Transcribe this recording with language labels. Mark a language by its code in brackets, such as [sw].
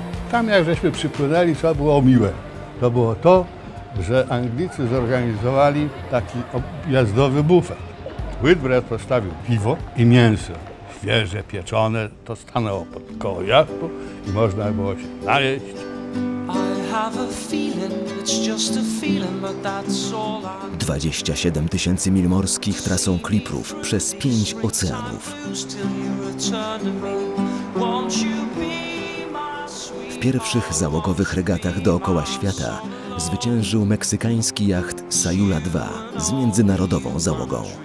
[pl] Tam jak żeśmy przypłynęli, to było miłe. To było to, że Anglicy zorganizowali taki objazdowy bufet. Whitbread postawił piwo i mięso. Świeże, pieczone, to stanęło pod koło jachtu i można było się najeść. [en] Have a feeling, it's just a feeling, but that's all I... [pl] 27 tysięcy mil morskich trasą Clipperów przez 5 oceanów. W pierwszych załogowych regatach dookoła świata zwyciężył meksykański jacht Sayula 2 z międzynarodową załogą.